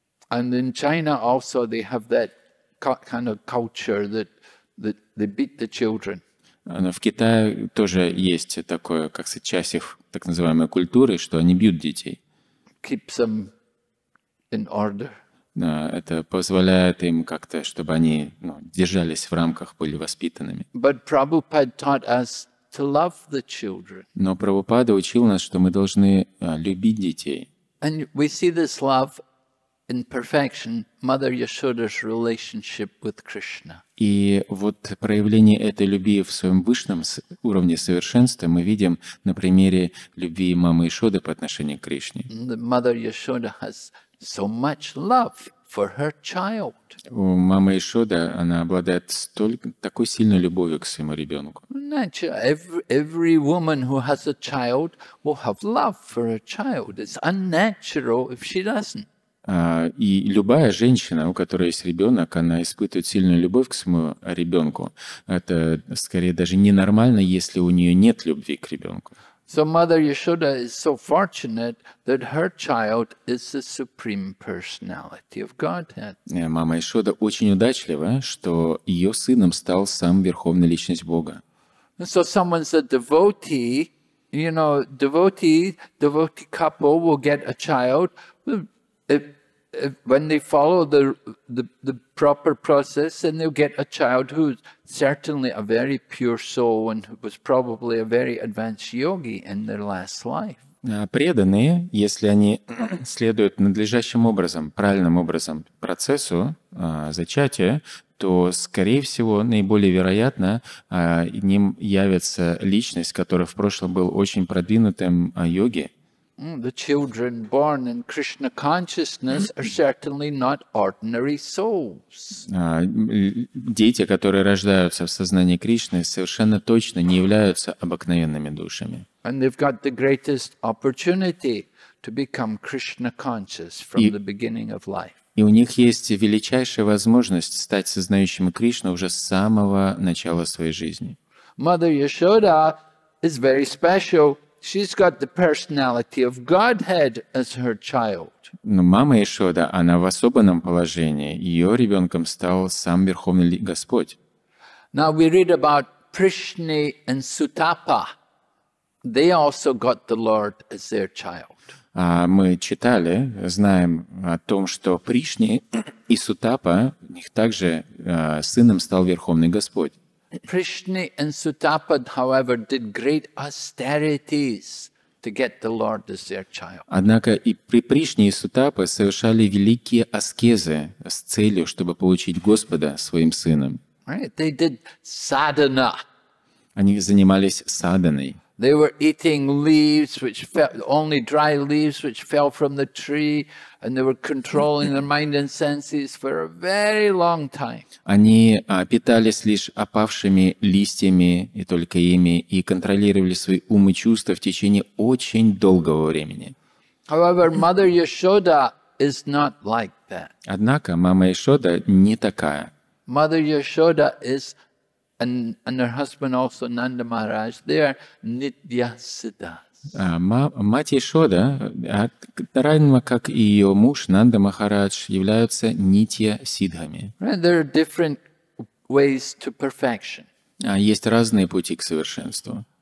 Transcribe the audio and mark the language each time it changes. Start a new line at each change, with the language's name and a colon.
English: And in China also they have that kind of culture that they beat the children.
Russian: В Китае тоже есть такое, как сказать, часть их так называемой культуры, что они бьют детей.
English: Keeps them in order.
Russian: Да, это позволяет им как-то, чтобы они держались в рамках, были воспитанными.
English: But Prabhupada taught us to love the children.
Russian: Но Прабхупада учил нас, что мы должны любить детей.
English: And we see this love in perfection, Mother Yashoda's relationship with Krishna.
Russian: И вот проявление этой любви в своем высшем уровне совершенства мы видим на примере любви мамы Яшоды по отношению к Кришне.
English: Mother Yashoda has so much love for her child.
Russian: У мамы Яшоды она обладает такой сильной любовью к своему ребенку.
English: Every woman who has a child will have love for her child. It's unnatural if she doesn't.
Russian: И любая женщина, у которой есть ребенок, она испытывает сильную любовь к своему ребенку. Это скорее даже ненормально, если у нее нет любви к ребенку.
English: So Mother Yashoda is so fortunate that her child is the supreme personality of Godhead.
Russian: Мама Яшода очень удачлива, что ее сыном стал сам верховная личность Бога.
English: So someone's a devotee, you know, devotee couple will get a child. If when they follow the proper process, then they'll get a child who's certainly a very pure soul and who was probably a very advanced yogi in their last life.
Russian: Преданные, если они следуют надлежащим образом, правильным образом процессу зачатия, то, скорее всего, наиболее вероятно, ним явится личность, которая в прошлом был очень продвинутым йоги.
English: The children born in Krishna consciousness are certainly not ordinary souls.
Russian: Дети, которые рождаются в сознании Кришны, совершенно точно не являются обыкновенными душами.
English: And they've got the greatest opportunity to become Krishna conscious from the beginning of life.
Russian: И у них есть величайшая возможность стать сознающим Кришну уже с самого начала своей жизни.
English: Mother Yashoda is very special. She's got the personality of Godhead as her child.
Russian: Но мама Яшода, она в особенном положении. Ее ребенком стал сам Верховный Господь.
English: Now we read about Prishni and Sutapa. They also got the Lord as their child.
Russian: Мы читали, знаем о том, что Пришни и Сутапа, у них также сыном стал Верховный Господь.
English: Krishna and Sutapad, however, did great austerities to get the Lord as their child.
Russian: Однако и при Кришне и Сутапе совершали великие аскезы с целью, чтобы получить Господа своим сыном.
English: Right? They did sadhana.
Russian: Они занимались садханой.
English: They were eating leaves which fell, only dry leaves which fell from the tree, and they were controlling their mind and senses for a very long time.
Russian: Они питались лишь опавшими листьями и только ими и контролировали свои умы и чувства в течение очень долгого времени.
English: However, Mother Yashoda is not like that.
Russian: Однако мама Яшода не такая.
English: Mother Yashoda is and her husband also Nanda Maharaj, they are nitya siddhas.
Russian: Мать Яшода, равно как и ее муж Нанда Махарадж, являются нитья сиддхами.
English: Right, there are different ways to perfection.
Russian: Есть разные пути к совершенству.